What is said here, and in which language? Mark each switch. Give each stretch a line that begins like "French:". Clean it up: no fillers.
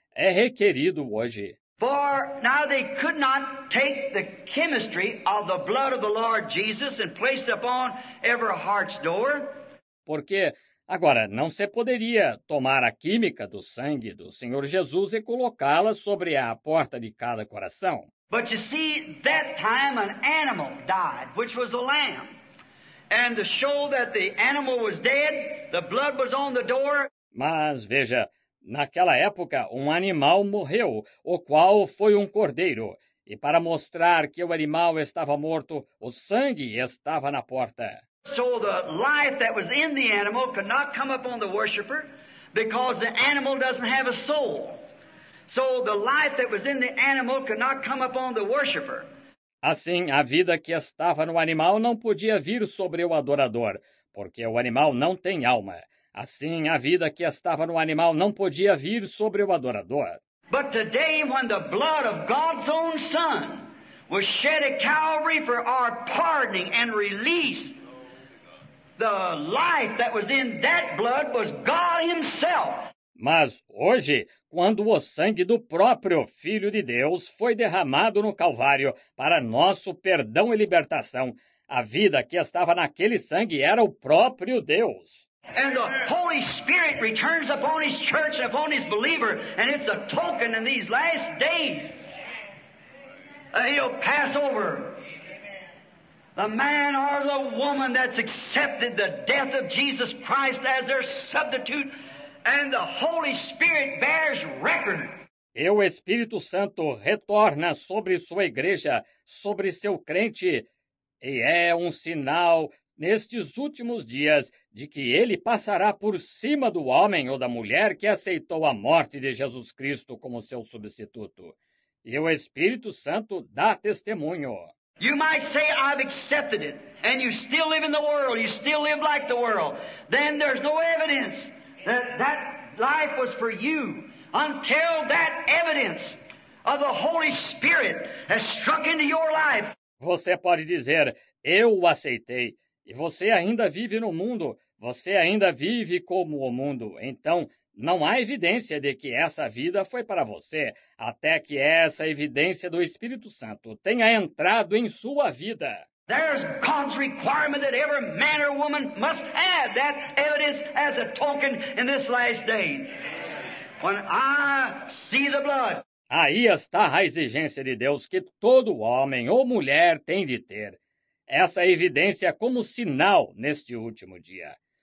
Portuguese: É requerido hoje.
English: For now they could not take the chemistry of the blood of the Lord Jesus and place it upon every heart's door.
Portuguese: Porque agora não se poderia tomar a química do sangue do Senhor Jesus e colocá-la sobre a porta de cada coração.
English: But you see, that time an animal died, which was a lamb. And to show that the animal was dead, the blood was on the door.
Portuguese: Mas veja, naquela época um animal morreu, o qual foi um cordeiro. E para mostrar que o animal estava morto, o sangue estava na porta.
English: So the life that was in the animal could not come upon the worshiper, because the animal doesn't have a soul. So the life that was in the animal could not come upon the worshiper.
Portuguese: Assim, a vida que estava no animal não podia vir sobre o adorador, porque o animal não tem alma. Assim, a vida que estava no animal não podia vir sobre o adorador.
English: But today, when the blood of God's own Son was shed at Calvary for our pardoning and release, the life that was in that blood was God Himself.
Portuguese: Mas hoje, quando o sangue do próprio Filho de Deus foi derramado no Calvário para nosso perdão e libertação, a vida que estava naquele sangue era o próprio Deus.
English: And the Holy Spirit returns upon his church and upon his believer, and it's a token in these last days. He'll pass over the man or the woman that's accepted the death of Jesus Christ as their substitute. And the Holy Spirit bears record.
Portuguese: E o Espírito Santo retorna sobre sua igreja, sobre seu crente, e é um sinal nestes últimos dias de que ele passará por cima do homem ou da mulher que aceitou a morte de Jesus Cristo como seu substituto. E o Espírito Santo dá testemunho.
English: You might say, I've accepted it, and you still live in the world, you still live like the world. Then there's no evidence that life was for you until that evidence of the Holy Spirit has struck into your life.
Portuguese: Você pode dizer, eu o aceitei, e você ainda vive no mundo, você ainda vive como o mundo. Então, não há evidência de que essa vida foi para você até que essa evidência do Espírito Santo tenha entrado em sua vida.
English: There's God's requirement that every man or woman must have that evidence as a token in this last day. When I see the blood.
Portuguese: Aí está a exigência de Deus que todo homem ou mulher tem de ter. Essa evidência como sinal neste último dia.